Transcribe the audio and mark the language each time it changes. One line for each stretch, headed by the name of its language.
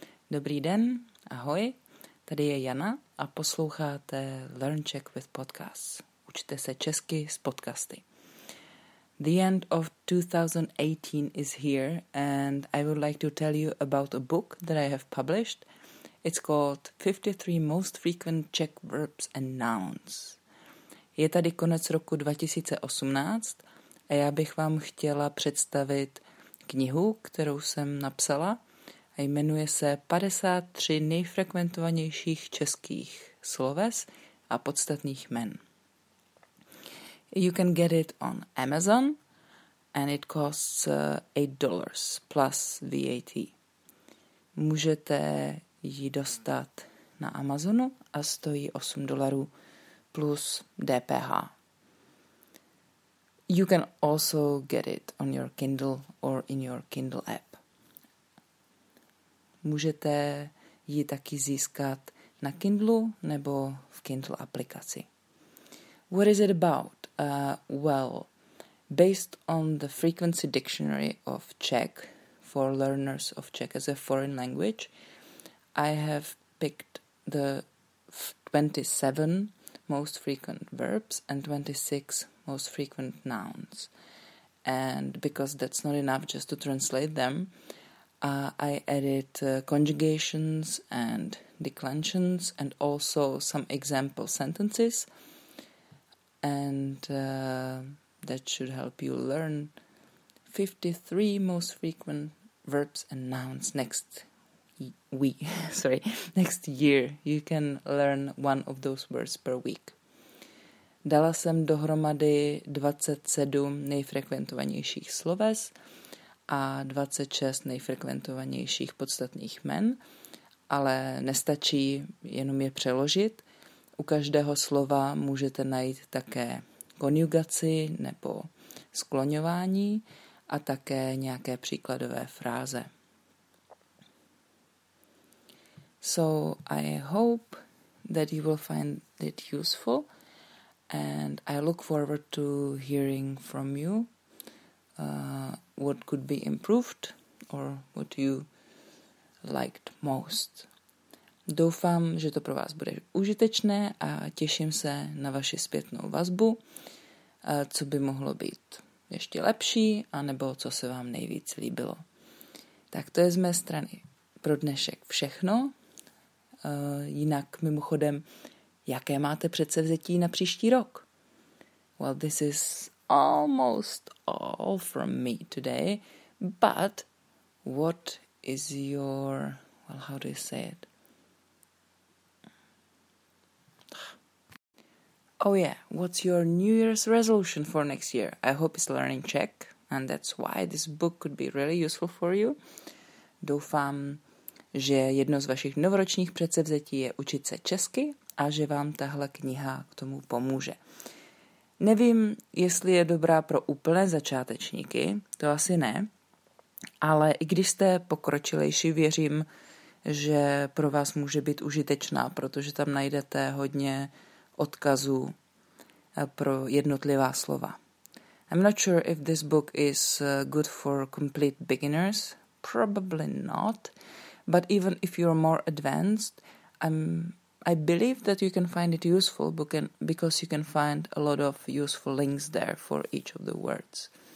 Czech: Dobrý den, ahoj, tady je Jana a posloucháte Learn Czech with Podcasts. Učte se česky s podcasty.
English: The end of 2018 is here, and I would like to tell you about a book that I have published. It's called 53 Most Frequent Czech Verbs and Nouns.
Czech: Je tady konec roku 2018 a já bych vám chtěla představit knihu, kterou jsem napsala. A jmenuje se 53 nejfrekventovanějších českých sloves a podstatných jmen.
English: You can get it on Amazon and it costs $8 plus VAT.
Czech: Můžete ji dostat na Amazonu a stojí $8 plus DPH.
English: You can also get it on your Kindle or in your Kindle app.
Czech: Můžete ji taky získat na Kindlu nebo v Kindle aplikaci.
English: What is it about? Well, based on the Frequency Dictionary of Czech for learners of Czech as a foreign language, I have picked the 27 most frequent verbs and 26 most frequent nouns. And because that's not enough just to translate them, I added conjugations and declensions and also some example sentences. And that should help you learn 53 most frequent verbs and nouns next year. You can learn one of those words per week.
Czech: Dala jsem dohromady 27 nejfrekventovanějších sloves a 26 nejfrekventovanějších podstatných jmen, ale nestačí jenom je přeložit. U každého slova můžete najít také konjugaci nebo skloňování a také nějaké příkladové fráze.
English: So I hope that you will find it useful and I look forward to hearing from you what could be improved or what you liked most.
Czech: Doufám, že to pro vás bude užitečné a těším se na vaši zpětnou vazbu, co by mohlo být ještě lepší anebo co se vám nejvíc líbilo. Tak to je z mé strany pro dnešek všechno. Jinak mimochodem, jaké máte předsevzetí na příští rok?
English: Well, this is almost all from me today, but what is your, well, how do you say it? Oh yeah, what's your New Year's resolution for next year? I hope it's learning Czech, and that's why this book could be really useful for you.
Czech: Doufám, že jedno z vašich novoročních předsevzetí je učit se česky a že vám tahle kniha k tomu pomůže. Nevím, jestli je dobrá pro úplné začátečníky, to asi ne, ale i když jste pokročilejší, věřím, že pro vás může být užitečná, protože tam najdete hodně odkazů pro jednotlivá slova.
English: I'm not sure if this book is good for complete beginners, probably not. But even if you're more advanced, I believe that you can find it useful because you can find a lot of useful links there for each of the words.